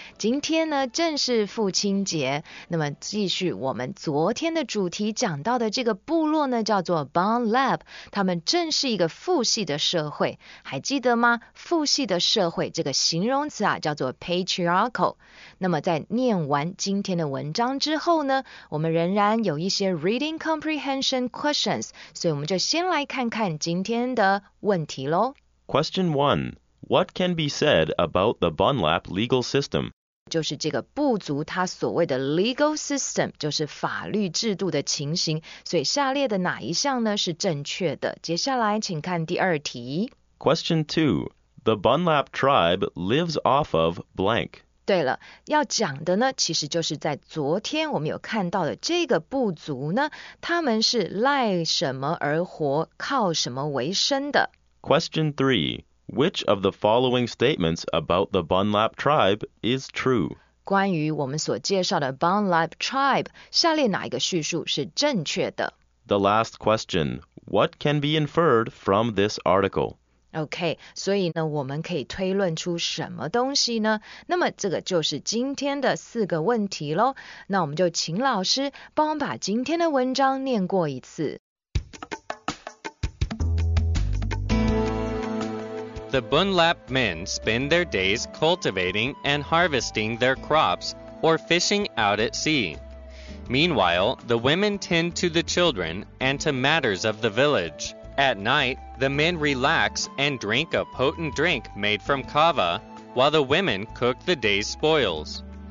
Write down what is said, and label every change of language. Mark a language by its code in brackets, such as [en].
[zh] 今天呢正是父亲节。那么继续我们昨天的主题讲到的这个部落呢，叫做 Bond Lab， 他们正是一个父系的社会，还记得吗？父系的社会这个形容词啊，叫做 patriarchal。那么在念完今天的文章之后呢，我们仍然有一些 [en] reading comprehension questions， [zh] 所以我们就先来看看今天的问题咯。 [en] Question 1. What can be said about the Bunlap legal system? [zh] 就是这个部族它所谓的 legal system， 就是法律制度的情形，所以下列的哪一项呢是正确的？接下来请看第二题。 [en] Question 2. The Bunlap tribe lives off of blank. [zh] 对了，要讲的呢，其实就是在昨天我们有看到的这个部族呢，他们是赖什么而活，靠什么为生的。 [en] Question 3. Which of the following statements about the Bunlap tribe is true? [zh] 关于我们所介绍的 Bunlap tribe, 下列哪一个叙述是正确的？ [en] The last question. What can be inferred from this article? [zh] OK, 所以呢我们可以推论出什么东西呢？那么这个就是今天的四个问题咯。那我们就请老师帮我们把今天的文章念过一次。 [en] The Bunlap men spend their days cultivating and harvesting their crops or fishing out at sea. Meanwhile, the women tend to the children and to matters of the village. At night, the men relax and drink a potent drink made from kava, while the women cook the day's spoils.